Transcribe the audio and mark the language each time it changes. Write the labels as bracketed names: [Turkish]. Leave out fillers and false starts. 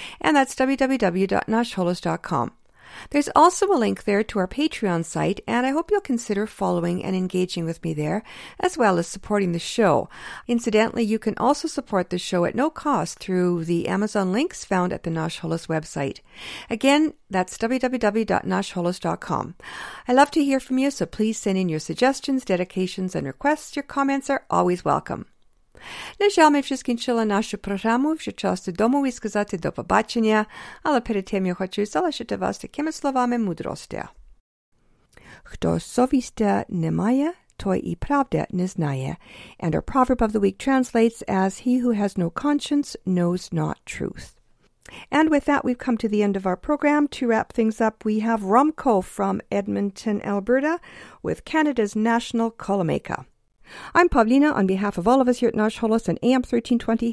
[English] And that's www.nashholos.com. There's also a link there to our Patreon site, and I hope you'll consider following and engaging with me there, as well as supporting the show. Incidentally, you can also support the show at no cost through the Amazon links found at the Nash Holos website. Again, that's www.nashholos.com. I love to hear from you, so please send in your suggestions, dedications, and requests. Your comments are always welcome. [Ukrainian] На жаль, ми вже скінчили нашу програму, вже час додому і сказати до побачення, але перед тим я хочу залишити вас такими словами мудрості. Хто совісті не має, той і правди не знає. [English] And our proverb of the week translates as, he who has no conscience knows not truth. And with that, we've come to the end of our program. To wrap things up, we have Romko from Edmonton, Alberta, with Canada's National Kolomeka. I'm Pavlina, on behalf of all of us here at Nash Holos and AM 1320.